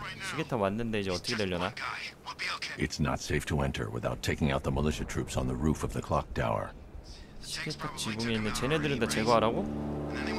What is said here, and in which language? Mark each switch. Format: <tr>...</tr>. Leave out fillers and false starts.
<ko>시계탑 왔는데 이제 어떻게 되려나?</ko> <en>It's not safe to enter without taking out the militia troops on the roof of the clock tower.</en> <ko>시계탑 지붕에 있는 쟤네들은 다 제거하라고?</ko>